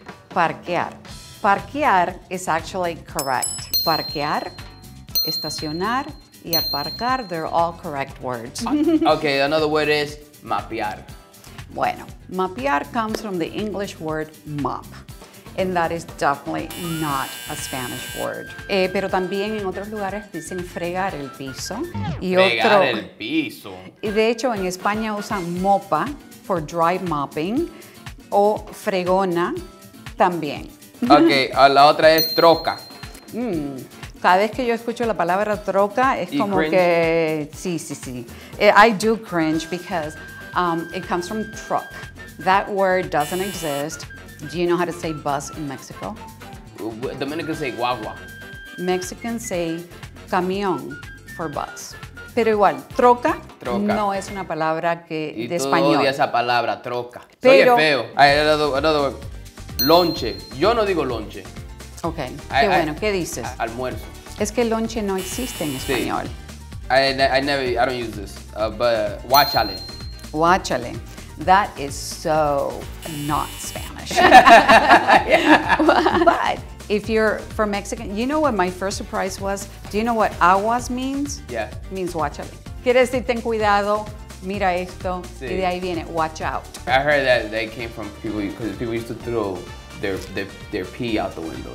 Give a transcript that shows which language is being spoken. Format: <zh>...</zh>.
<en>Parquear. Parquear is actually correct. Parquear, estacionar, y aparcar, they're all correct words. Okay, another word is mapear. Bueno, mapear comes from the English word map. And that is definitely not a Spanish word.</en> <es>Pero también en otros lugares dicen fregar el piso. Y fregar otro, el piso. Y de hecho, en España usan mopa for dry mopping o fregona también. Ok, la otra es troca. Cada vez que yo escucho la palabra troca es como</es> <en>cringe?</en> <es>Que... Sí, sí, sí.</es> <en>I do cringe because it comes from truck. That word doesn't exist. Do you know how to say bus in Mexico? Dominicans say guagua. Mexicans say camión for bus.</en> <es>Pero igual, troca, troca. No es una palabra que y de español. Y todo odia esa palabra, troca. Pero, oye, feo. Ay,</es> <en>another word.</en> <es>Lonche. Yo no digo lonche. Ok. Qué bueno. ¿Qué dices? Almuerzo. Es que lonche no existe en español.</es> <en>Sí. I don't use this. But guachale. Guachale. That is so not Spanish. But if you're from Mexican, you know what my first surprise was? Do you know what aguas means? Yeah. It means guachale.</en> <es>Quieres decir ten cuidado, mira esto, sí. Y de ahí viene,</es> <en>watch out. I heard that they came from people, because people used to throw their pee out the window.</en>